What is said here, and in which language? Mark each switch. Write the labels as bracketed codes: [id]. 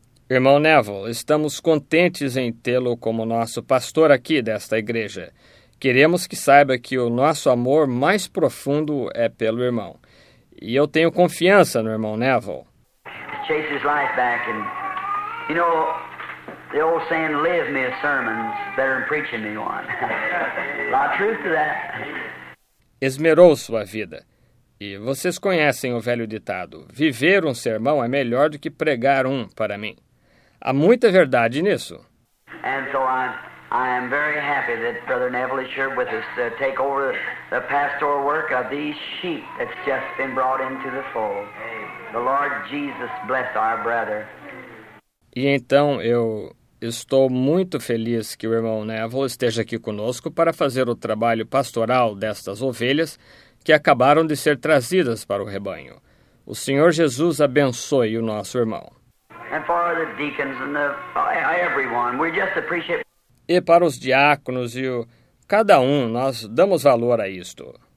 [pt] Irmão Neville, estamos contentes em tê-lo como nosso pastor aqui desta igreja. Queremos que saiba que o nosso amor mais profundo é pelo irmão. E eu tenho confiança no irmão Neville. [en] Chase his life back and, you know, the old saying, live me a sermon, better than preaching me one. A lot of truth to that. [pt] Esmerou sua vida. E vocês conhecem o velho ditado, viver um sermão é melhor do que pregar um para mim. Há muita verdade nisso. [en] And so I am very happy that Brother Neville is here with us to take over the pastoral work of these sheep that's just been brought into the fold. The Lord Jesus bless our brother. [pt] E então eu estou muito feliz que o irmão Neville esteja aqui conosco para fazer o trabalho pastoral destas ovelhas que acabaram de ser trazidas para o rebanho. O Senhor Jesus abençoe o nosso irmão. [en] And for the deacons and everyone, we just appreciate. [pt] E para os diáconos e cada um, nós damos valor a isto.